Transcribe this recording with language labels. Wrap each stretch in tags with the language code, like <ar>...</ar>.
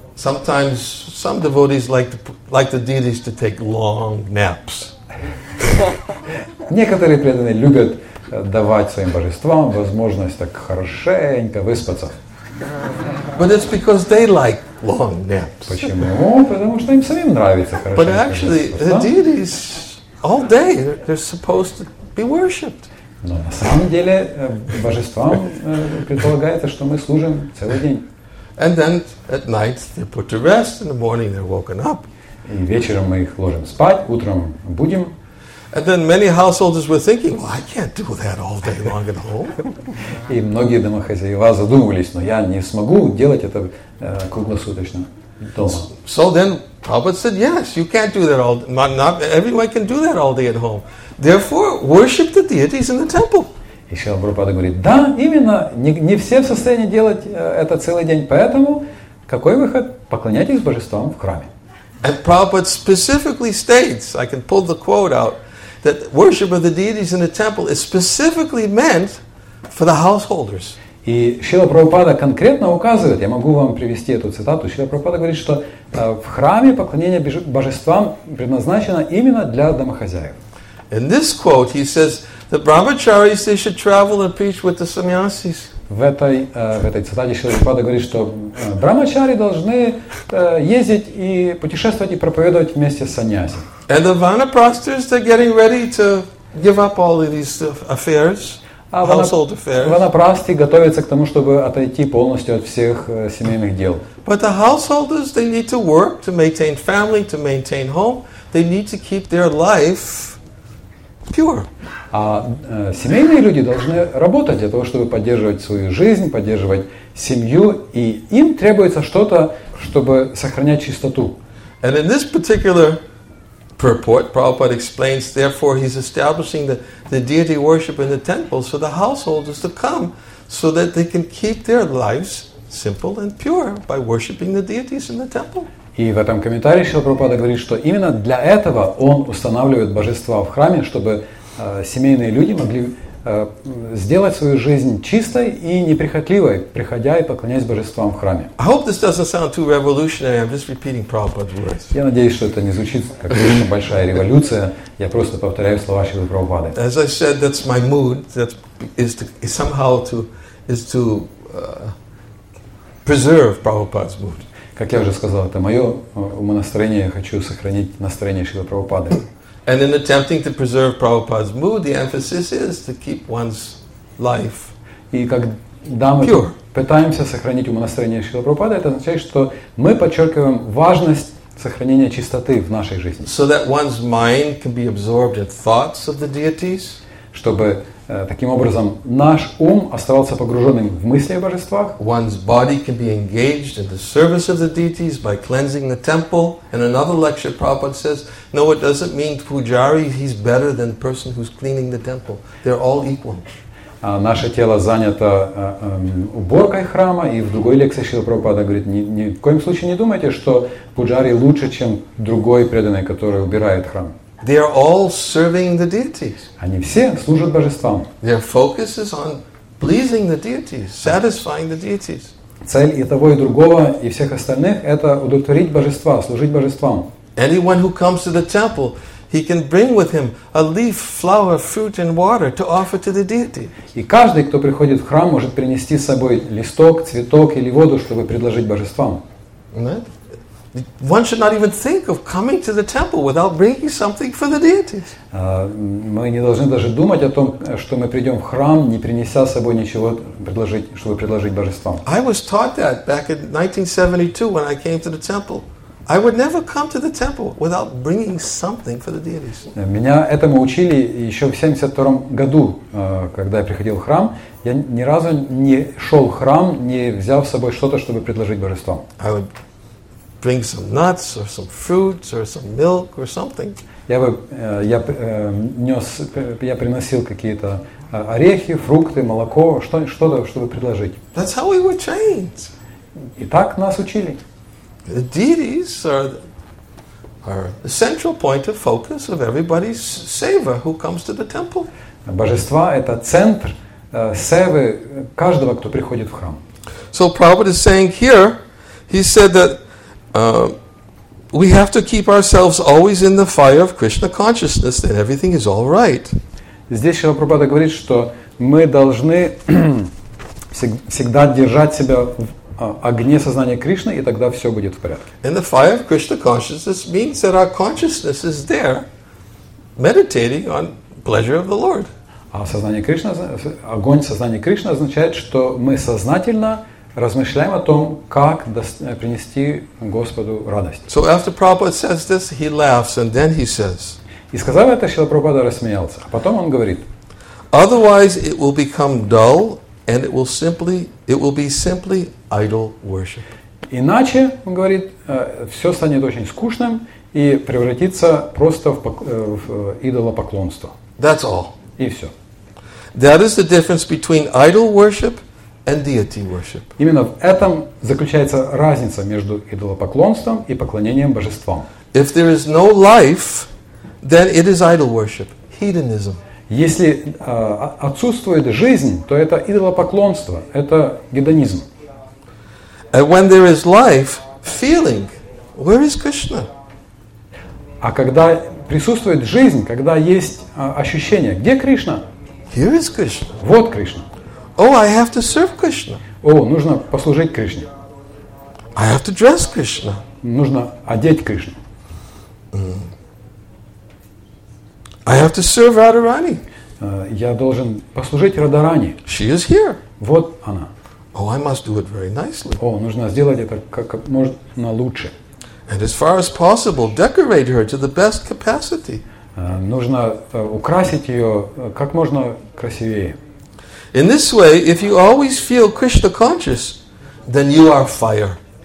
<en>Sometimes some devotees like the deities to take long naps.</en> <ru>Некоторые преданные любят давать своим божествам возможность так хорошенько выспаться.</ru> <en>But it's because they like long naps.</en> <ru>Почему? Потому что им самим нравится хорошенько</ru> <en>But actually,</en> <ru>выспаться.</ru> <en>The deities all day they're supposed to be worshipped.</en> <ru>Но на самом деле божествам предполагается, что мы служим целый день.</ru> <en>And then at night they're put to rest, in the morning they're woken up.</en> <ru>И вечером мы их ложим спать, утром будем.</ru> <en>And then many householders were thinking, "Well, I can't do that all day long at home."</en> <ru>И многие домохозяева задумывались, но я не смогу делать это круглосуточно.</ru> <en>So then Prabhupada said, yes, you can't do that all day. Not everyone can do that all day at home. Therefore, worship the deities in the temple.</en> <ru>И Шрила Прабхупада говорит, да, именно, не все в состоянии делать это целый день, поэтому какой выход? Поклоняйтесь божествам в храме.</ru> <en>And Prabhupada specifically states, I can pull the quote out, that worship of the deities in the temple is specifically meant for the householders.</en> <ru>И Шрила Прабхупада конкретно указывает, я могу вам привести эту цитату, Шрила Прабхупада говорит, что в храме поклонение божествам предназначено именно для домохозяев.</ru> <en>In this quote, he says, the brahmacharis, they should travel and preach with the sannyasis.</en> <ru>В этой цитате Шрила Прабхупада говорит, что брахмачари должны ездить и путешествовать и проповедовать вместе с саньяси.</ru> <en>And the vanaprasthas, they're getting ready to give up all of these affairs, household affairs.</en> <ru>Ванапрасты готовятся к тому, чтобы отойти полностью от всех семейных дел.</ru> <en>But the householders, they need to work to maintain family, to maintain home. They need to keep their life pure.</en> <ru>А семейные люди должны работать для того, чтобы поддерживать свою жизнь, поддерживать семью, и им требуется что-то, чтобы сохранять чистоту.</ru> <en>And in this particular purport, Prabhupada explains, therefore, he's establishing the deity worship in the temples for the householders to come, so that they can keep their lives simple and pure by worshiping the deities in the temple.</en> <ru>И в этом комментарии Шрила Прабхупада говорит, что именно для этого он устанавливает божества в храме, чтобы семейные люди могли сделать свою жизнь чистой и неприхотливой, приходя и поклоняясь божествам в храме.</ru> <en>I hope this doesn't sound too revolutionary. I'm just repeating Prabhupada's words.</en> <ru>Я надеюсь, что это не звучит как очень большая революция. Я просто повторяю слова Шрилы Прабхупады.</ru> <en>As I said, that's my mood. That is somehow to preserve Prabhupada's mood.</en> <ru>Как я уже сказал, это мое умонастроение, я хочу сохранить настроение Шрилы Прабхупады.</ru> <en>And in attempting to preserve Prabhupada's mood, the emphasis is to keep one's life pure.</en> <ru>И когда мы пытаемся сохранить умонастроение Шрилы Прабхупады, это означает, что мы подчеркиваем важность сохранения чистоты в нашей жизни.</ru> <en>So that one's mind can be absorbed in thoughts of the deities.</en> <ru>Чтобы таким образом наш ум оставался погруженным в мысли о божествах.</ru> <en>One's body can be engaged in the service of the deities by cleansing the temple. In another lecture, Prabhupada says, no, it doesn't mean pujari, he's better than the person who's cleaning the temple. They're all equal.</en> <ru>Наше тело занято уборкой храма, и в другой лекции Шрила Прабхупада говорит, ни в коем случае не думайте, что пуджари лучше, чем другой преданный, который убирает храм.</ru> <en>They are all serving the deities.</en> <ru>Они все служат божествам.</ru> <en>Their focus is on pleasing the deities, satisfying the deities.</en> <ru>Цель и того, и другого, и всех остальных — это удовлетворить божества, служить божествам.</ru> <en>Anyone who comes to the temple, he can bring with him a leaf, flower, fruit, and water to offer to the deity.</en> <ru>И каждый, кто приходит в храм, может принести с собой листок, цветок или воду, чтобы предложить божествам.</ru> <en>One should not even think of coming to the temple without bringing something for the deities.</en> <ru>Мы не должны даже думать о том, что мы придем в храм, не принеся с собой ничего, чтобы предложить божествам.</ru> <en>I was taught that back in 1972 when I came to the temple. I would never come to the temple without bringing something for the deities.</en> <ru>Меня этому учили еще в 72 году, когда я приходил в храм. Я ни разу не шел в храм, не взяв с собой что-то, чтобы предложить божествам.</ru> <en>I would bring some nuts or some fruits or some milk or something.</en> <ru>Я приносил какие-то орехи, фрукты, молоко, что-то, чтобы предложить.</ru> <en>That's how we were trained.</en> <ru>И так нас учили.</ru> <en>The deities are the central point of focus of everybody's seva who comes to the temple.</en> <ru>Божества — это центр севы каждого, кто приходит в храм.</ru> <en>So Prabhupada is saying here, he said that we have to keep ourselves always in the fire of Krishna consciousness, that everything is all right.</en> <ru>Здесь Шрила Прабхупада говорит, что мы должны всегда держать себя в огне сознания Кришны, и тогда все будет в порядке.</ru> <en>And the fire of Krishna consciousness means that our consciousness is there, meditating on pleasure of the Lord.</en> <ru>А сознание Кришны, огонь сознания Кришны означает, что мы сознательно размышляем о том, как принести Господу радость.</ru> <en>So after Prabhupada says this, he laughs, and then he says.</en> <ru>И сказав это, Шрила Прабхупада рассмеялся. А потом он говорит.</ru> <en>Otherwise, it will become dull, and it will be simply idle worship.</en> <ru>Иначе, он говорит, все станет очень скучным и превратится просто в идолопоклонство.</ru> <en>That's all.</en> <ru>И все.</ru> <en>That is the difference between idol worship and deity worship.</en> <ru>Именно в этом заключается разница между идолопоклонством и поклонением божествам.</ru> <en>If there is no life, then it is idol worship, hedonism.</en> <ru>Если отсутствует жизнь, то это идолопоклонство, это гедонизм.</ru> <en>And when there is life, feeling, where is Krishna?</en> <ru>А когда присутствует жизнь, когда есть ощущение, где Кришна?</ru> <en>Here is Krishna.</en> <ru>Вот Кришна.</ru> <en>Oh, I have to serve Krishna.</en> <ru>О, нужно послужить Кришне.</ru> <en>I have to dress Krishna.</en> <ru>Нужно одеть Кришну. Mm-hmm.</ru> <en>I have to serve Radharani.</en> <ru>Я должен послужить Радарани.</ru> <en>She is here.</en> <ru>Вот она.</ru> <en>Oh, I must do it very nicely.</en> <ru>О, нужно сделать это как можно лучше.</ru> <en>And as far as possible, decorate her to the best capacity.</en> <ru>Нужно украсить ее как можно красивее.</ru> <en>In this way, if you always feel Krishna conscious, then you are fire.</en>